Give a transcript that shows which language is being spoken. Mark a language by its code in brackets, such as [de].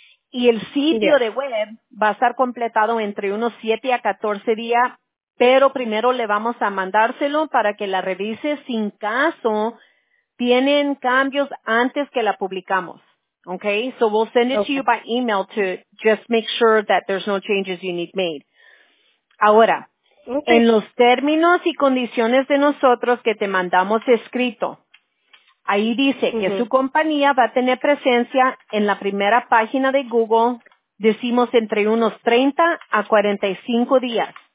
[es] Y el sitio de web va a estar completado entre unos 7 a 14 días, pero primero le vamos a mandárselo para que la revise sin caso tienen cambios antes que la publicamos. Okay? [en] So we'll send it to you by email to just make sure that there's no changes you need made. [es] Ahora, en los términos y condiciones de nosotros que te mandamos escrito, ahí dice que su compañía va a tener presencia en la primera página de Google, decimos entre unos 30 a 45 días.